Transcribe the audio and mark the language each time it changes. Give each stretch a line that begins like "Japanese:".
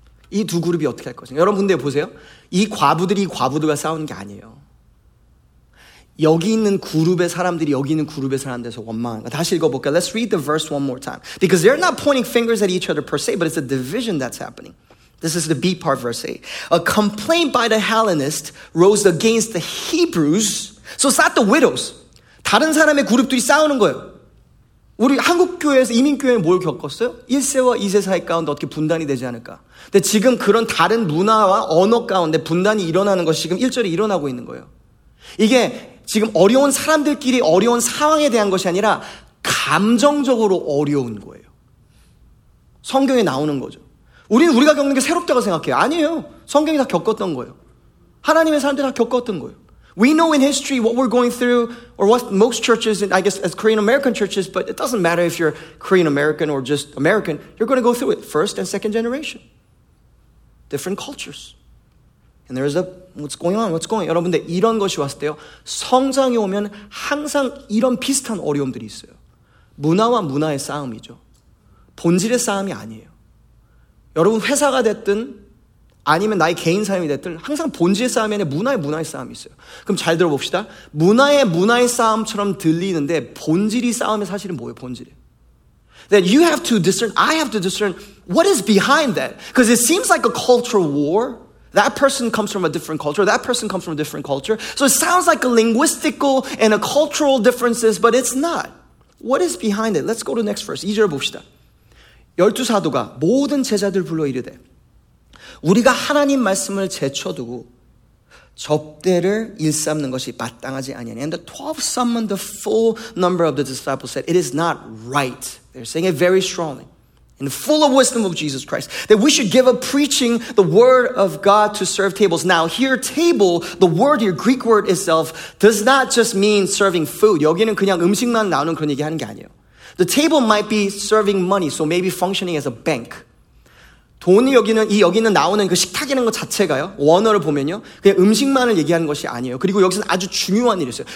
Korean: 이 두 그룹이 어떻게 할 것인가? 여러분 근데 보세요. 이 과부들이 과부들과 싸우는 게 아니에요. 여기 있는 그룹의 사람들이 여기 있는 그룹의 사람들에서 원망한 거. 다시 읽어볼까요?
English: Let's read the verse one more time. Because they're not pointing fingers at each other per se, but it's a division that's happening. This is the B part, verse 8. A complaint by the Hellenists rose against the Hebrews. So it's not the widows.
Korean: 다른 사람의 그룹들이 싸우는 거예요. 우리 한국교회에서 이민교회는 뭘 겪었어요? 1세와 2세 사이 가운데 어떻게 분단이 되지 않을까? 근데 지금 그런 다른 문화와 언어 가운데 분단이 일어나는 것이 지금 1절에 일어나고 있는 거예요. 이게 지금 어려운 사람들끼리 어려운 상황에 대한 것이 아니라 감정적으로 어려운 거예요. 성경에 나오는 거죠. 우리는 우리가 겪는 게 새롭다고 생각해요. 아니에요. 성경이 다 겪었던 거예요. 하나님의 사람들이 다 겪었던 거예요.
English: We know in history what we're going through or what most churches, and I guess as Korean-American churches, but it doesn't matter if you're Korean-American or just American, you're going to go through it, first and second generation. Different cultures. And there's a, what's going on, what's going on.
Korean: 여러분들, 이런 것이 왔을 때요. 성장이 오면 항상 이런 비슷한 어려움들이 있어요. 문화와 문화의 싸움이죠. 본질의 싸움이 아니에요. 여러분, 회사가 됐든, 아니면 나의 개인 삶이 됐든 항상 본질의 싸움이 아니라 문화의 싸움이 있어요. 그럼 잘 들어봅시다. 문화의 싸움처럼 들리는데 본질이 싸움의 사실은 뭐예요? 본질이.
English: That you have to discern, I have to discern what is behind that. Because it seems like a cultural war. That person comes from a different culture. That person comes from a different culture. So it sounds like a linguistical and a cultural differences, but it's not. What is behind it? Let's go to the next verse.
Korean: 2절 봅시다. 열두 사도가 모든 제자들 불러 이르되 우리가 하나님 말씀을 제쳐두고 접대를 일삼는 것이 마땅하지 아니하니.
English: And the 12 summoned the full number of the disciples said, it is not right. They're saying it very strongly. In the full of wisdom of Jesus Christ, that we should give up preaching the word of God to serve tables. Now here, table, the word, your Greek word itself, does not just mean serving food.
Korean: 여기는 그냥 음식만 나오는 그런 얘기 하는 게 아니에요.
English: The table might be serving money, so maybe functioning as a bank.
Korean: 돈이 여기는 나오는 그 식탁이라는 것 자체가요. 원어를 보면요. 그냥 음식만을 얘기하는 것이 아니에요. 그리고 여기서는 아주 중요한 일이 있어요.